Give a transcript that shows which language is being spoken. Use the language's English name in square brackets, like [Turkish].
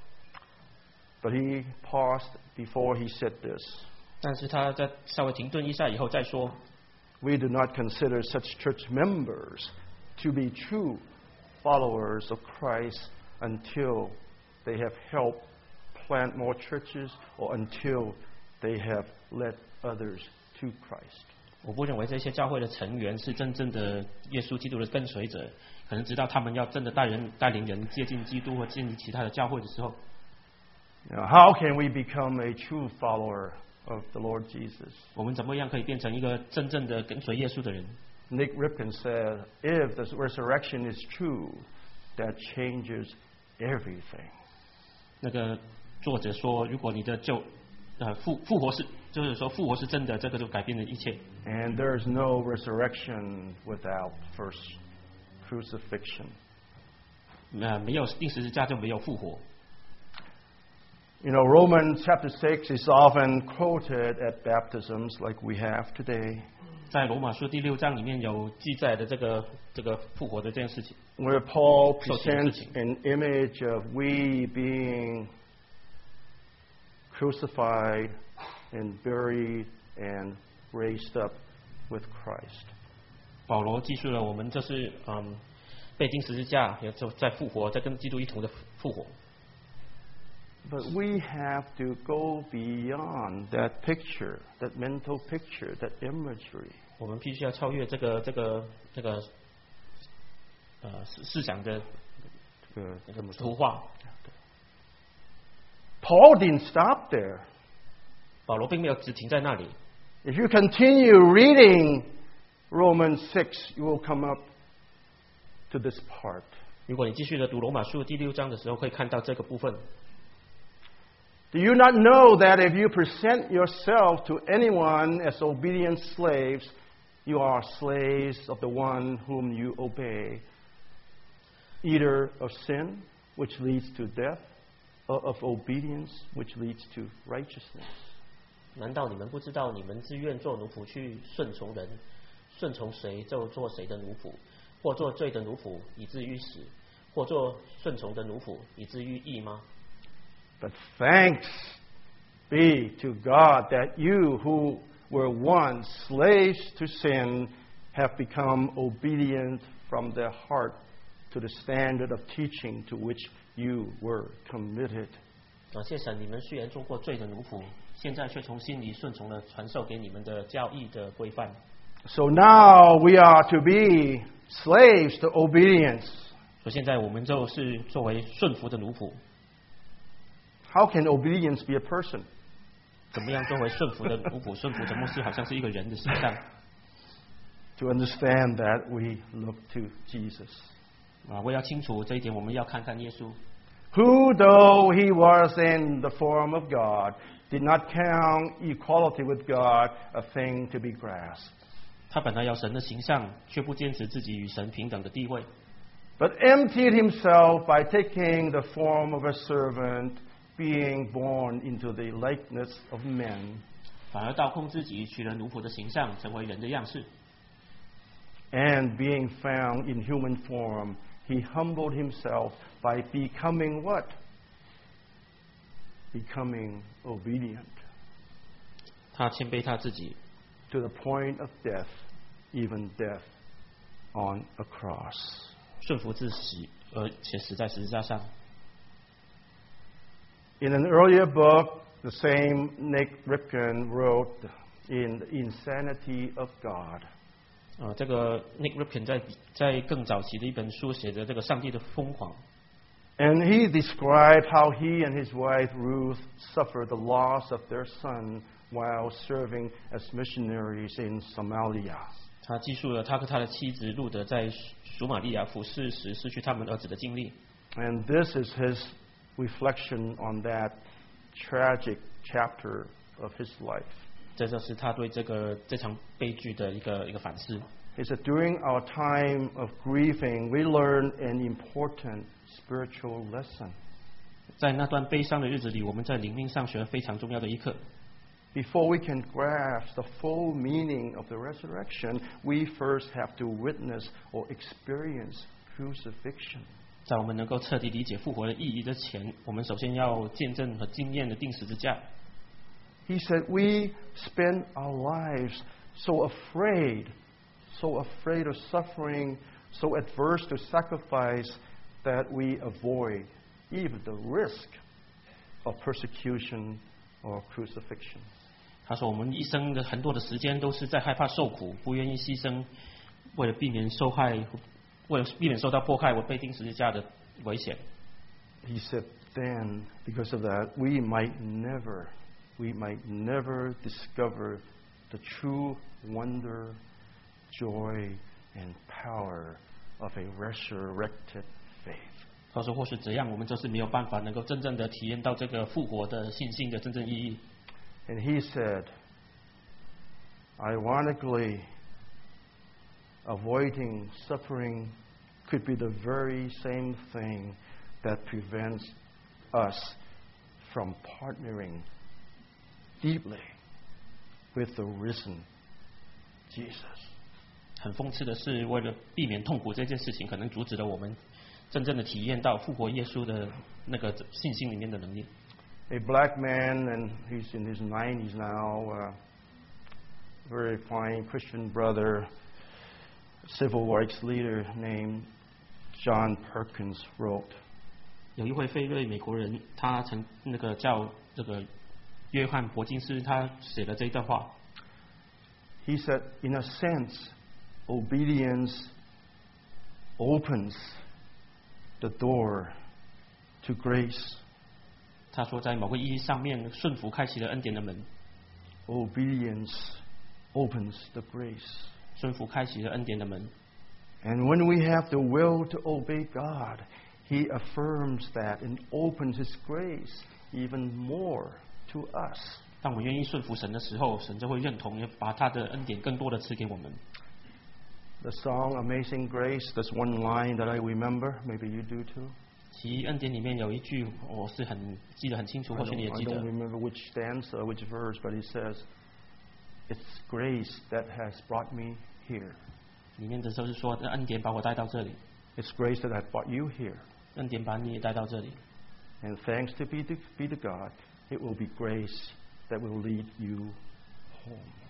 [Chinese] 大部分也会为教会的服事奉献。 [English] But he paused before he said this. [Chinese] 但是他在稍微停顿一下以后再说。 [English] We do not consider such church members to be true followers of Christ until they have helped plant more churches or until they have led others to Christ. [Chinese] 我不认为这些教会的成员是真正的耶稣基督的跟随者，可能直到他们要真的带领人接近基督或建立其他的教会的时候。 [English] Now, how can we become a true follower of the Lord Jesus? [Chinese] 我们怎么样可以变成一个真正的跟随耶稣的人? [English] Nick Ripken said, if the resurrection is true, that changes everything. [Chinese] 那个作者说，如果你的救复活是，就是说复活是真的，这个就改变了一切。 [English] And there is no resurrection without first crucifixion. [Chinese] 没有钉十字架就没有复活。 [English] You know, Romans chapter 6 is often quoted at baptisms like we have today. [Chinese] 在罗马书第六章里面有记载的这个复活的这件事情。 [English] Where Paul presents an image of we being crucified and buried and raised up with Christ. [Chinese] 保罗记述了我们这是被钉十字架，也就在复活，在跟基督一同的复活。 [English] But we have to go beyond that picture, that mental picture, that imagery. [Chinese] 我们必须要超越这个思想的这个图画。 [English] Paul didn't stop there. [Chinese] 保罗并没有只停在那里。 [English] If you continue reading Romans 6, you will come up to this part. [Chinese] 如果你继续的读罗马书第六章的时候，会看到这个部分。 [English] Do you not know that if you present yourself to anyone as obedient slaves, you are slaves of the one whom you obey, either of sin, which leads to death, or of obedience, which leads to righteousness? [Chinese] 难道你们不知道你们自愿做奴仆去顺从人，顺从谁就做谁的奴仆，或做罪的奴仆以至于死，或做顺从的奴仆以至于义吗？ [English] But thanks be to God that you who were once slaves to sin have become obedient from the heart to the standard of teaching to which you were committed. [Chinese] 感谢神，你们虽然做过罪的奴仆，现在却从心里顺从了传授给你们的教义的规范。 [English] So now we are to be slaves to obedience. [Chinese] 所以现在我们就是作为顺服的奴仆。 [English] How can obedience be a person? [Chinese] 怎么样作为顺服的奴仆？顺服怎么是好像是一个人的形象 [English] ？To understand that, we look to Jesus. [Chinese] 我要清楚这一点，我们要看看耶稣。 [English] Who, though he was in the form of God, did not count equality with God a thing to be grasped. [Chinese] 他本来要神的形象，却不坚持自己与神平等的地位。 [English] But emptied himself by taking the form of a servant. Being born into the likeness of men, [Chinese] 反而倒空自己，取了奴仆的形象，成为人的样式。 [English] And being found in human form, he humbled himself by becoming what? Becoming obedient. [Chinese] 他谦卑他自己 [English] to the point of death, even death on a cross. [Chinese] 顺服至死，而且死在十字架上。 [English] In an earlier book, the same Nick Ripken wrote in the Insanity of God. [Chinese] 这个 Nick Ripken 在更早期的一本书写的这个上帝的疯狂。 [English] And he described how he and his wife Ruth suffered the loss of their son while serving as missionaries in Somalia. [Chinese] 他记述了他和他的妻子路德在索马利亚服侍时失去他们儿子的经历。 [English] And this is his. Reflection on that tragic chapter of his life. [Chinese] 这就是他对这场悲剧的一个反思。 [English] He said, "During our time of grieving, we learn an important spiritual lesson." [Chinese] 在那段悲伤的日子里，我们在灵命上学了非常重要的一课。 [English] Before we can grasp the full meaning of the resurrection, we first have to witness or experience crucifixion. [Chinese] 在我们能够彻底理解复活的意义之前，我们首先要见证和经验的钉十字架。 [English] He said, "We spend our lives so afraid of suffering, so adverse to sacrifice, that we avoid even the risk of persecution or crucifixion." [Chinese] 他说，我们一生的很多的时间都是在害怕受苦，不愿意牺牲，为了避免受害。为避免受到迫害，我被钉十字架的危险。 [English] He said, "Then, because of that, we might never discover the true wonder, joy, and power of a resurrected faith." [Chinese] 他说或许这样，我们就是没有办法能够真正的体验到这个复活的信心的真正意义。 [English] And he said, ironically, avoiding suffering could be the very same thing that prevents us from partnering deeply with the risen Jesus. [Chinese] 很讽刺的是，为了避免痛苦这件事情，可能阻止了我们真正的体验到复活耶稣的那个信心里面的能力。 [English] A black man, and he's in his 90s now, a very fine Christian brother, civil rights leader named John Perkins wrote. [Chinese] 有一位非裔美国人，他曾那个叫这个约翰伯金斯，他写了这一段话。 [English] He said, in a sense, obedience opens the door to grace. [Chinese] 他说在某个意义上面，顺服开启了恩典的门。 [English] Obedience opens the grace. [Chinese] 顺服开启了恩典的门。 [English] And when we have the will to obey God, he affirms that and opens his grace even more to us. [Chinese] 当我们愿意顺服神的时候，神就会认同，也把他的恩典更多的赐给我们。 [English] The song Amazing Grace, there's one line that I remember, maybe you do too. [Chinese] 其恩典里面有一句我是很记得很清楚，或许你也记得。 [English] I don't remember which stanza or which verse, but it says, it's grace that has brought me here. [Chinese] 里面的时候是说恩典把我带到这里。 [English] It's grace that has brought you here. [Chinese] 恩典把你也带到这里。 [English] And thanks to be to God, it will be grace that will lead you home.